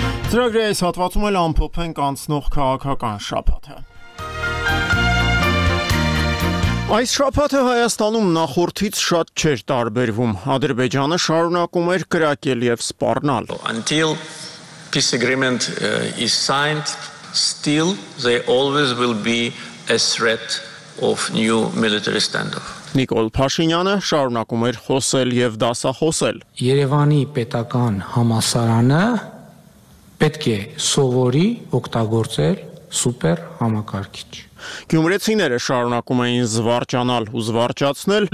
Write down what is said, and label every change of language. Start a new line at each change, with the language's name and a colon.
Armenian: Ծրագրի այս հատվածում էլ ամփոփենք անցնող քաղաքական շաբաթը։ Այս շաբաթը Հայաստանում նախորդից շատ չէր տարբերվում։ Ադրբեջանը շարունակում էր կրակել եւ սպառնալ.
English: Until peace agreement is signed, still they always will be a threat of new military standoff.
Armenian: Նիկոլ Փաշինյանը շարունակում էր խոսել եւ դասախոսել։ Երևանի պետական համասարանը պետք է սովորի օգտագործել սուպեր համակարգիչ։ Գյումրեցիները շարունակում էին զվարճանալ ու զվարճացնել։